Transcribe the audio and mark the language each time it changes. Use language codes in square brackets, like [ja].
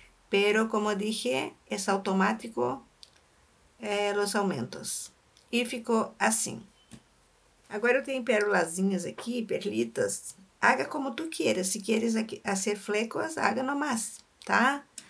[es] Pero como dije, es automático los aumentos. [pt] E ficou assim. Agora eu tenho perolazinhas aqui, [es] perlitas. Haga como tu quieras. Se quieres aqui hacer flecos, haga nomás, tá?